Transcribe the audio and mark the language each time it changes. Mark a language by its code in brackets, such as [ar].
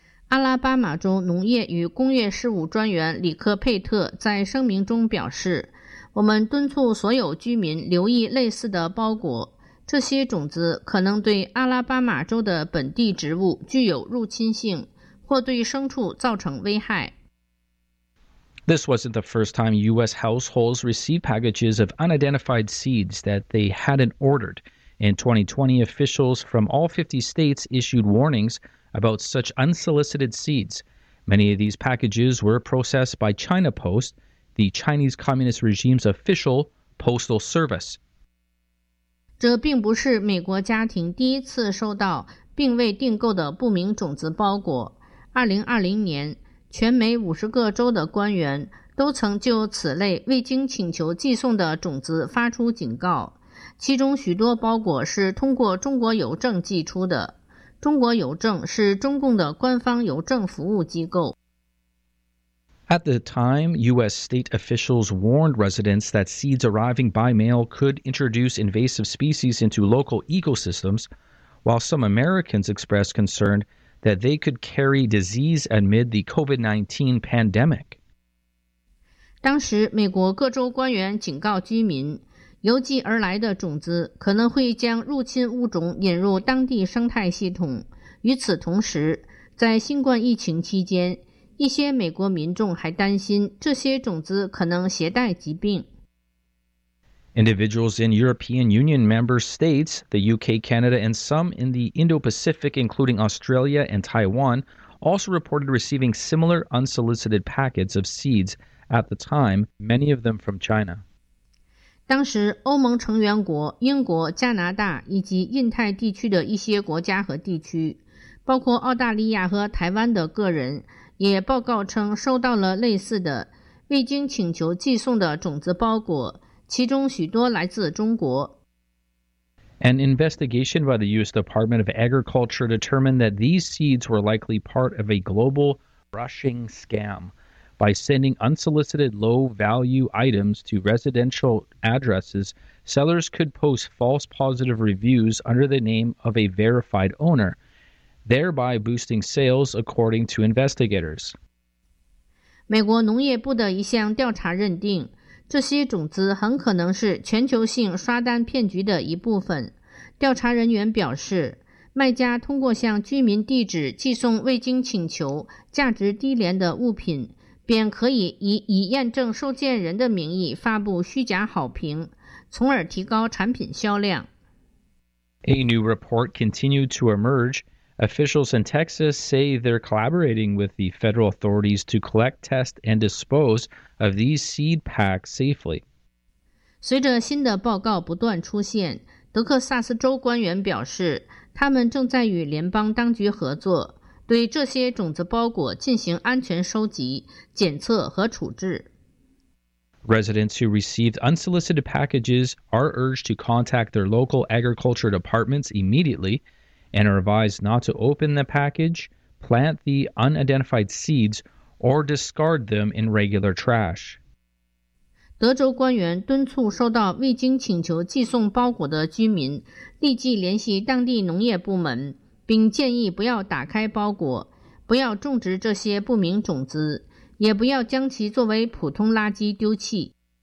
[zh] 阿拉巴马州农业与工业事务专员里克·佩特在声明中表示，我们敦促所有居民留意类似的包裹。这些种子可能对阿拉巴马州的本地植物具有入侵性，或对牲畜造成危害。 [en] This wasn't the first time U.S. households received packages of unidentified seeds that they hadn't ordered. In 2020, officials from all 50 states issued warnings about such unsolicited seeds. Many of these packages were processed by China Post, the Chinese Communist regime's official postal service. [zh] 这并不是美国家庭第一次收到并未订购的不明种子包裹。 2020年，全美50个州的官员都曾就此类未经请求寄送的种子发出警告，其中许多包裹是通过中国邮政寄出的。中国邮政是中共的官方邮政服务机构。 [en] At the time, U.S. state officials warned residents that seeds arriving by mail could introduce invasive species into local ecosystems, while some Americans expressed concern that they could carry disease amid the COVID-19 pandemic. [zh] 当时，美国各州官员警告居民，邮寄而来的种子可能会将入侵物种引入当地生态系统。与此同时，在新冠疫情期间，一些美国民众还担心这些种子可能携带疾病。 [en] Individuals in European Union member states, the UK, Canada, and some in the Indo-Pacific, including Australia and Taiwan, also reported receiving similar unsolicited packets of seeds at the time, many of them from China. [zh] 当时，欧盟成员国、英国、加拿大以及印太地区的一些国家和地区，包括澳大利亚和台湾的个人，也报告称收到了类似的未经请求寄送的种子包裹，其中许多来自中国。 [en] An investigation by the U.S. Department of Agriculture determined that these seeds were likely part of a global rushing scam by sending unsolicited low-value items to residential addresses. Sellers could post false positive reviews under the name of a verified owner, thereby boosting sales, according to investigators. [zh] 美国农业部的一项调查认定，这些种子很可能是全球性刷单骗局的一部分。调查人员表示，卖家通过向居民地址寄送未经请求、价值低廉的物品，便可以以已验证收件人的名义发布虚假好评，从而提高产品销量。 [en] A new report continued to emerge. Officials in Texas say they're collaborating with the federal authorities to collect, test, and dispose of these seed packs safely. [zh] 随着新的报告不断出现，德克萨斯州官员表示，他们正在与联邦当局合作，对这些种子包裹进行安全收集、检测和处置。 [en] Residents who received unsolicited packages are urged to contact their local agriculture departments immediately and are advised not to open the package, plant the unidentified seeds, or discard them in regular trash. [zh] 德州官员敦促收到未经请求寄送包裹的居民立即联系当地农业部门，并建议不要打开包裹，不要种植这些不明种子，也不要将其作为普通垃圾丢弃。